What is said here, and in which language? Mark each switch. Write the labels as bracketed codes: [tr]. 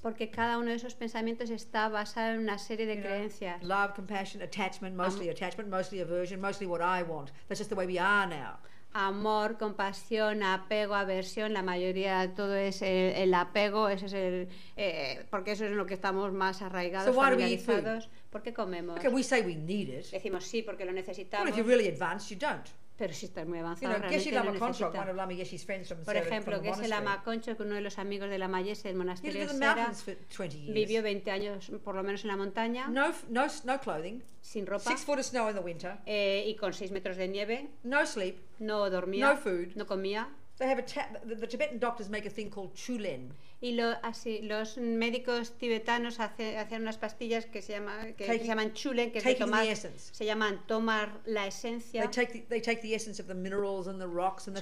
[es] Porque cada uno de esos pensamientos está basado en una serie de creencias. [en] Know, love, compassion, attachment, mostly attachment, mostly aversion, mostly what I want. That's just the way we are now. [es] Amor, compasión, apego, aversión, la mayoría de todo es el apego, ese es el porque eso es en lo que estamos más arraigados, [en] so [es] familiarizados. ¿Por qué comemos? [en] Okay, we say we need it. [es] Decimos sí porque lo necesitamos. [en] Well, if you're really advanced, you don't. [es] Pero si estás muy avanzado, [en] you know, [es] realmente Lama lo necesitas. [en] One of Lama Yeshe's friends from [es] Por ejemplo, que es el Lama Concho, que uno de los amigos de Lama Yeshe del monasterio de Sera, vivió 20 años por lo menos en la montaña. [en] No clothing. [es] Sin ropa. [en] 6 foot of snow in the winter. [es] Y con 6 metros de nieve. [en] No sleep. [es] No dormía. [en] No food. [es] No comía. [en] They have the Tibetan doctors make a thing called chulen. [es] Y los médicos tibetanos hacían unas pastillas que se llaman chulen, que [en] taking [es] es de tomar [en] the essence. [es] Se llaman tomar la esencia. [en] They take the essence of the minerals and the rocks and the